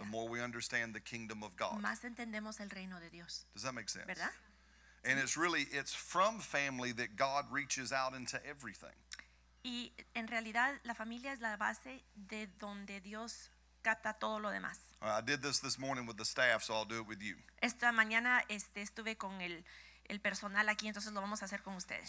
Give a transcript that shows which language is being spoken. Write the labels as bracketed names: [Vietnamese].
[English] The more we understand the kingdom of God. [Spanish] Más entendemos el reino de Dios. [English] Does that make sense? [Spanish] ¿Verdad? [English] And sí. it's from family that God reaches out into everything. [Spanish] Y en realidad la familia es la base de donde Dios capta todo lo demás. [English] I did this morning with the staff, so I'll do it with you. [Spanish] Esta mañana estuve con el personal aquí, entonces lo vamos a hacer con ustedes.